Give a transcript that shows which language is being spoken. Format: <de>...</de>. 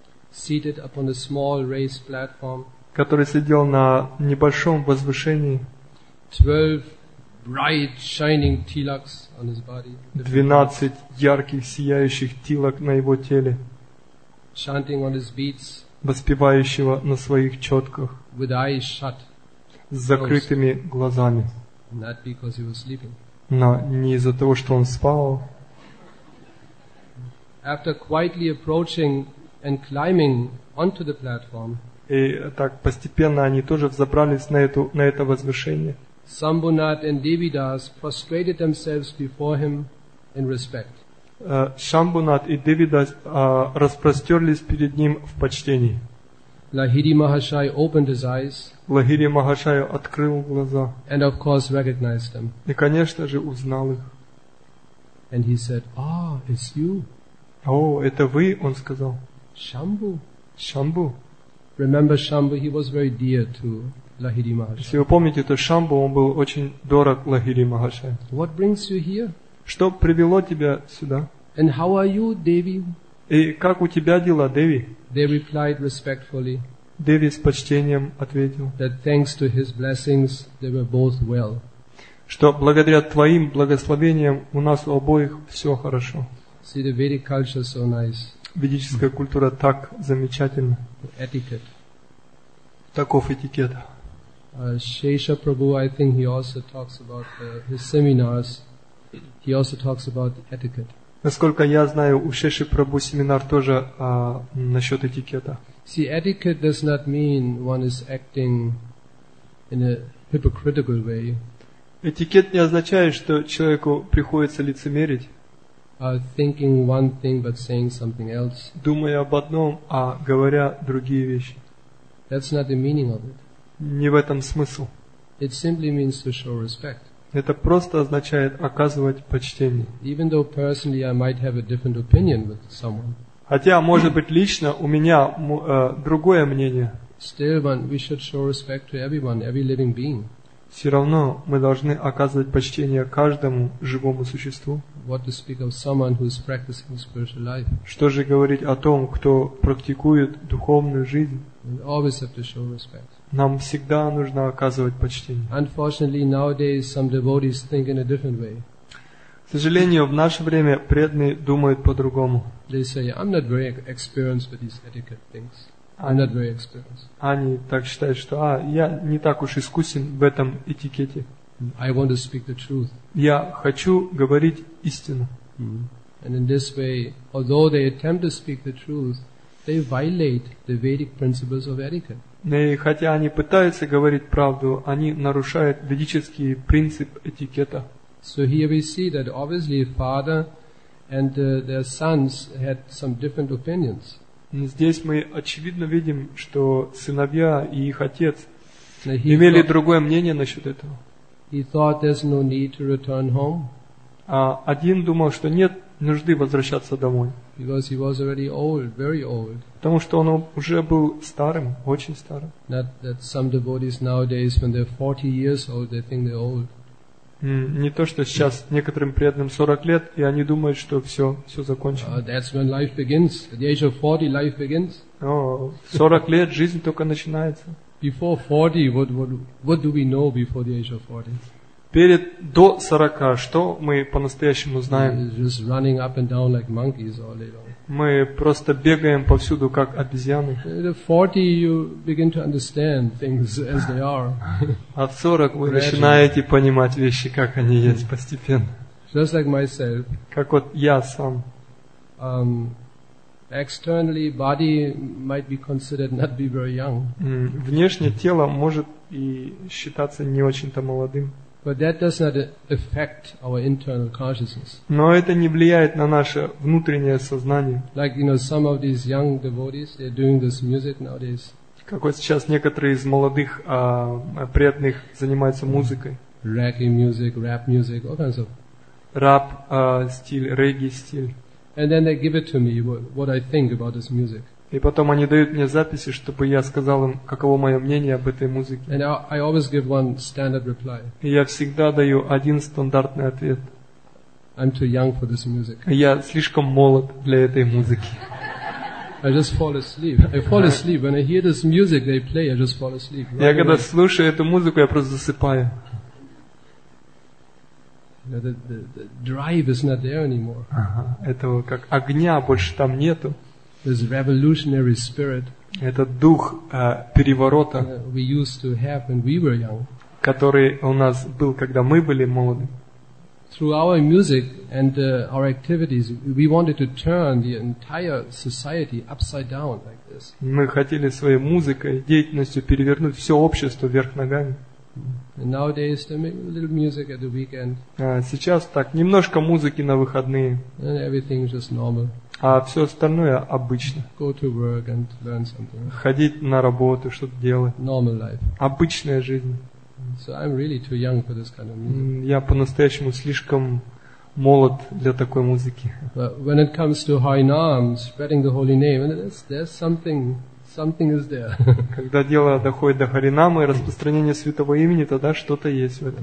<en>seated upon a small raised platform,</en> <ru>который сидел на небольшом возвышении.</ru> <en>12 bright shining tilaks on his body.</en> <ru>12 ярких сияющих тилок на его теле.</ru> <en>Chanting on his beats,</en> <ru>воспевающего на своих четках.</ru> <en>With eyes shut,</en> <ru>с закрытыми глазами.</ru> <en>Not because he was sleeping.</en> <ru>Но не из-за того, что он спал.</ru> <en>After quietly approaching and climbing onto the platform,</en> <ru>и так постепенно они тоже взобрались на это возвышение.</ru> <en>Sambunath and Devidas prostrated themselves before him in respect.</en> <ru>Shambunath и Devidas распростерлись перед ним в почтении.</ru> <en>Lahiri Mahashay opened his eyes.</en> <ru>Лахири Махашай открыл глаза.</ru> <en>And of course recognized them.</en> <ru>И, конечно же, узнал их.</ru> <en>And he said, "Ah, it's you."</en> <ru>О, это вы, он сказал.</ru> <en>Shambhu.</en> <ru>Shambhu.</ru> <en>Remember Shambhu, he was very dear to Lahiri Mahashay.</en> <ru>Если вы помните, то Shambhu, он был очень дорог Лахири Махашай.</ru> <en>What brings you here?</en> <ru>Что привело тебя сюда?</ru> <en>And how are you, Devi?</en> <ru>И как у тебя дела, Деви?</ru> <en>They replied respectfully.</en> <ru>Деви с почтением ответил.</ru> <en>That thanks to his blessings, they were both well.</en> <ru>Что благодаря твоим благословениям у нас у обоих все хорошо.</ru> <en>See, the Vedic culture is so nice.</en> <ru>Ведическая культура так замечательна.</ru> <en>The etiquette.</en> <ru>Таков этикет.</ru> <en>Шейша Прабху, I think he also talks about his seminars. He also talks about etiquette.</en> <ru>Насколько я знаю, у Шеши Прабху семинар тоже насчет этикета.</ru> <en>See, etiquette does not mean one is acting in a hypocritical way.</en> <ru>Этикет не означает, что человеку приходится лицемерить.</ru> <en>Thinking one thing but saying something else.</en> <ru>Думая об одном, а говоря другие вещи.</ru> <en>That's not the meaning of it.</en> <ru>Не в этом смысл.</ru> <en>It simply means to show respect.</en> <ru>Это просто означает оказывать почтение.</ru> <en>Even though personally I might have a different opinion with someone.</en> <ru>Хотя, может быть, лично у меня другое мнение.</ru> <en>Still, we should show respect to everyone, every living being.</en> <ru>Все равно мы должны оказывать почтение каждому живому существу.</ru> <en>What to speak of someone who is practicing spiritual life?</en> <ru>Что же говорить о том, кто практикует духовную жизнь?</ru> <en>We always have to show respect.</en> <ru>Нам всегда нужно оказывать почтение.</ru> <en>Unfortunately, nowadays some devotees think in a different way.</en> <ru>К сожалению, в наше время преданные думают по-другому.</ru> <en>They say, "I'm not very experienced with these etiquette things. I'm not very experienced."</en> <ru>Они так считают, что, я не так уж искусен в этом этикете.</ru> <en>I want to speak the truth.</en> <ru>Я хочу говорить истину.</ru> <en>And in this way, although they attempt to speak the truth, they violate the Vedic principles of etiquette.</en> <ru>И хотя они пытаются говорить правду, они нарушают ведический принцип этикета.</ru> <en>So here we see that obviously father and their sons had some different opinions.</en> <ru>Здесь мы очевидно видим, что сыновья и их отец имели другое мнение насчет этого.</ru> <en>He thought there's no need to return home.</en> <ru>А один думал, что нет нужды возвращаться домой.</ru> <en>Because he was already old, very old.</en> <ru>Потому что он уже был старым, очень старым.</ru> <en>That some devotees nowadays, when they're 40 years old, they think they're old.</en> <ru>Не то, что сейчас некоторым преданным 40 лет, и они думают, что все закончено.</ru> <en>That's when life begins. At the age of 40, life begins.</en> <ru>40 лет, жизнь только начинается.</ru> <en>Before 40, what do we know before the age of 40?</en> <ru>Перед до 40, что мы по-настоящему знаем?</ru> <en>Just running up and down like monkeys all day long.</en> <ru>Мы просто бегаем повсюду, как обезьяны.</ru> <en>At 40, you begin to understand things as they are.</en> <ru>А в 40 вы начинаете понимать вещи, как они есть, постепенно.</ru> <en>just like myself.</en> <ru>Как вот я сам.</ru> <en>Externally, body might be considered not be very young.</en> <ru>Внешне тело может и считаться не очень-то молодым.</ru> <en>But that does not affect our internal consciousness.</en> <ru>Но это не влияет на наше внутреннее сознание.</ru> <en>Like, you know, some of these young devotees, they're doing this music nowadays.</en> <ru>Как вот сейчас некоторые из молодых преданных занимаются музыкой.</ru> <en>Reggae music, rap music, all kinds of.</en> <ru>Rap стиль, регги стиль.</ru> <en>And then they give it to me what I think about this music.</en> <ru>И потом они дают мне записи, чтобы я сказал им, каково мое мнение об этой музыке.</ru> <en>And I always give one standard reply.</en> <ru>И я всегда даю один стандартный ответ.</ru> <en>I'm too young for this music.</en> <ru>Я слишком молод для этой музыки.</ru> <en>I just fall asleep. I fall asleep when I hear this music they play. I just fall asleep.</en> <ru>Right я когда слушаю эту музыку, я просто засыпаю.</ru> <en>The drive is not there anymore.</en> <ru>Этого как огня больше там нету.</ru> <en>This revolutionary spirit.</en> <ru>Этот дух переворота.</ru> <en>We used to have when we were young.</en> <ru>Который у нас был, когда мы были молоды.</ru> <en>Through our music and our activities, we wanted to turn the entire society upside down like this.</en> <ru>Мы хотели своей музыкой, деятельностью перевернуть все общество вверх ногами.</ru> <en>And nowadays, they make a little music at the weekend.</en> <ru>Сейчас так, немножко музыки на выходные.</ru> <en>And everything is just normal.</en> <ru>А все остальное обычно.</ru> <en>Go to work and learn something.</en> <ru>Ходить на работу, что-то делать.</ru> <en>Normal life.</en> <ru>Обычная жизнь.</ru> <en>So I'm really too young for this kind of music.</en> <ru>Я по-настоящему слишком молод для такой музыки.</ru> <en>But when it comes to Harinam, spreading the holy name, there's something. Something is there.</en> <ru>Когда дело доходит до Харинама и распространения святого имени, тогда что-то есть в этом.</ru>